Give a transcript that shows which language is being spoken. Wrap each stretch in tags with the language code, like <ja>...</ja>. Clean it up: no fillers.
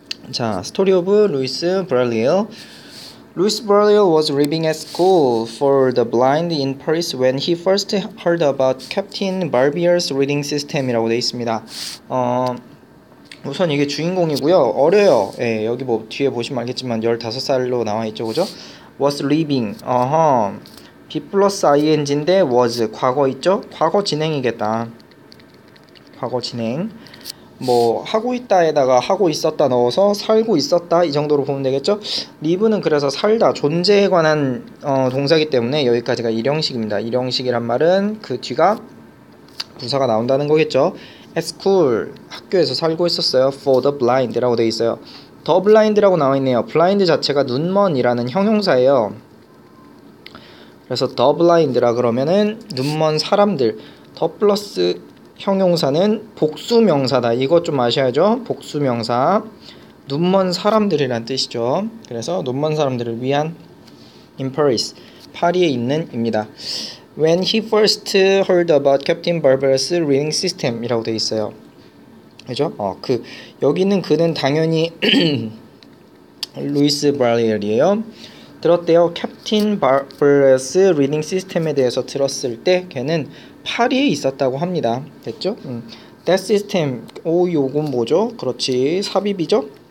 <en>자, 스토리 오브 루이스 브래리엘. Louis Braille was reading at school for the blind in Paris when he first heard about Captain Barbier's reading system</en> <ko>이라고 돼 있습니다. 우선 이게 주인공이고요. 어려요. 예, 여기 뭐 뒤에 보시면 알겠지만 15살로 나와 있죠, 그죠? Was reading. B 플러스 ing인데 was 과거 있죠? 과거 진행이겠다. 과거 진행. 뭐 하고 있다에다가 하고 있었다 넣어서 살고 있었다 이 정도로 보면 되겠죠? live는 그래서 살다 존재에 관한 동사이기 때문에 여기까지가 일형식입니다. 일형식이란 말은 그 뒤가 부사가 나온다는 거겠죠?</ko> <en>at school</en> <ko>학교에서 살고 있었어요.</ko> <en>for the blind</en> <ko>라고 돼 있어요. the blind라고 나와 있네요. blind 자체가 눈먼이라는 형용사예요. 그래서 the blind라 그러면은 눈먼 사람들 the 플러스 형용사는 복수명사다. 이것 좀 아셔야죠. 복수명사. 눈먼 사람들이란 뜻이죠. 그래서 눈먼 사람들을 위한 in Paris. 파리에 있는 입니다.</ko> <en>When he first heard about Captain Barbara's reading system</en> <ko>이라고 돼 있어요. 그죠? 여기 있는 그는 당연히 루이스 브라리엘이에요. 들었대요. 캡틴 바브레스 리딩 시스템에 대해서 들었을 때 걔는 파리에 있었다고 합니다. 됐죠? That system. 오, 요건 뭐죠? 그렇지. 삽입이죠?</ko>